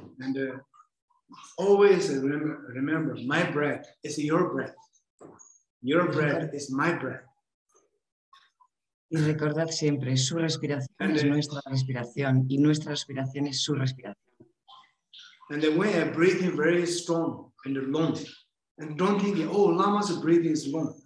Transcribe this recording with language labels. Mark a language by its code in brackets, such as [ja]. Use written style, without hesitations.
[en] And always remember, my breath is your breath. Your breath is my breath. [es] Y recordad siempre, su respiración es nuestra respiración y nuestra respiración es su respiración. [en] And the way I breathe in very strong and long. And don't think, oh, Lama's breath is long.